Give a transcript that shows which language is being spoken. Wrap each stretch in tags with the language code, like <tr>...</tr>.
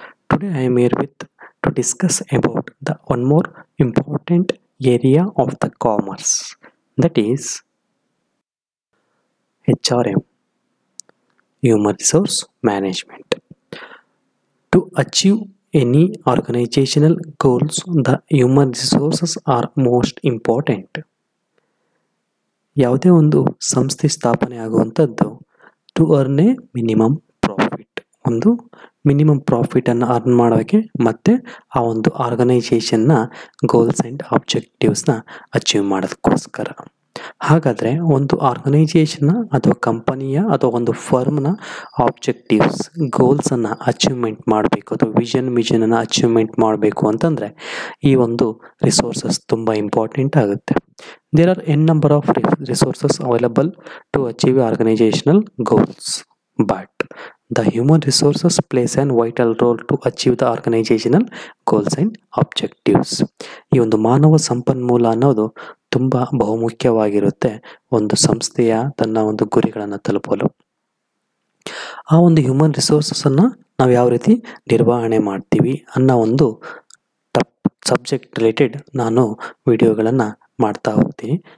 <en>Today I am here with to discuss about the one more important area of the commerce, that is HRM, Human Resource Management. To achieve any organizational goals, the human resources are most important.</en> <kn>ಯಾವುದೇ ಒಂದು ಸಂಸ್ಥೆ ಸ್ಥಾಪನೆ ಆಗುವಂಥದ್ದು</kn> <en>to earn a minimum profit,</en> <kn>ಒಂದು minimum ಪ್ರಾಫಿಟನ್ನು earn ಮಾಡೋಕ್ಕೆ ಮತ್ತು ಆ ಒಂದು ಆರ್ಗನೈಸೇಷನ್ನ ಗೋಲ್ಸ್ ಆ್ಯಂಡ್ ಆಬ್ಜೆಕ್ಟಿವ್ಸ್ನ ಅಚೀವ್ ಮಾಡೋದಕ್ಕೋಸ್ಕರ. ಹಾಗಾದರೆ ಒಂದು ಆರ್ಗನೈಸೇಷನ್ನ ಅಥವಾ ಕಂಪನಿಯ ಅಥವಾ ಒಂದು ಫರ್ಮ್ನ ಆಬ್ಜೆಕ್ಟಿವ್ಸ್ ಗೋಲ್ಸನ್ನು ಅಚೀವ್ಮೆಂಟ್ ಮಾಡಬೇಕು ಅಥವಾ ವಿಷನನ್ನು ಅಚೀವ್ಮೆಂಟ್ ಮಾಡಬೇಕು ಅಂತಂದರೆ ಈ ಒಂದು ರಿಸೋರ್ಸಸ್ ತುಂಬ ಇಂಪಾರ್ಟೆಂಟ್ ಆಗುತ್ತೆ.</kn> <en>There are n number of resources available to achieve organizational goals, but the human resources plays a vital role to achieve the organizational goals and objectives.</en> <kn>ಈ ಒಂದು ಮಾನವ ಸಂಪನ್ಮೂಲ ಅನ್ನೋದು ತುಂಬ ಬಹುಮುಖ್ಯವಾಗಿರುತ್ತೆ ಒಂದು ಸಂಸ್ಥೆಯ ತನ್ನ ಒಂದು ಗುರಿಗಳನ್ನು ತಲುಪಲು. ಆ ಒಂದು ಹ್ಯೂಮನ್ ರಿಸೋರ್ಸಸ್ಸನ್ನು ನಾವು ಯಾವ ರೀತಿ ನಿರ್ವಹಣೆ ಮಾಡ್ತೀವಿ ಅನ್ನೋ ಒಂದು ಸಬ್ಜೆಕ್ಟ್ ರಿಲೇಟೆಡ್ ನಾನು ವಿಡಿಯೋಗಳನ್ನು ಮಾಡ್ತಾ ಹೋಗ್ತೀನಿ.</kn>